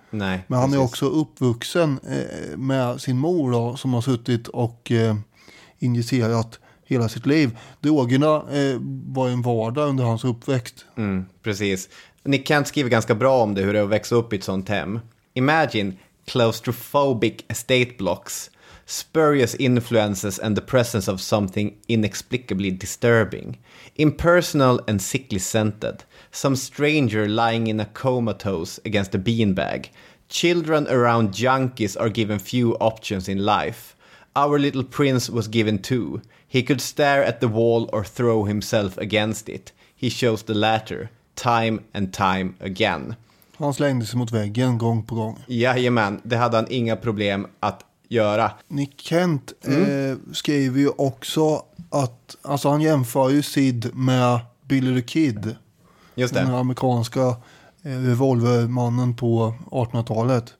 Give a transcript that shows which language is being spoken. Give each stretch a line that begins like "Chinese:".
Swedish: Nej, men han precis. Är också uppvuxen med sin mor då, som har suttit och injicerat hela sitt liv. Drogerna var en vardag under hans uppväxt. Mm, precis. Nick Kent skriver ganska bra om det, hur det är att växa upp i ett sånt hem.
English: Imagine claustrophobic estate blocks, spurious influences and the presence of something inexplicably disturbing. Impersonal and sickly scented. Some stranger lying in a comatose against a beanbag. Children around junkies are given few options in life. Our little prince was given two. He could stare at the wall or throw himself against it. He chose the latter, time and time again.
Swedish: Han slängde sig mot väggen gång på gång. Jajamän, det hade han inga problem att göra. Nick Kent skriver ju också att, alltså han jämför ju Sid med Billy the Kid. Just det. Den amerikanska revolvermannen på 1800-talet.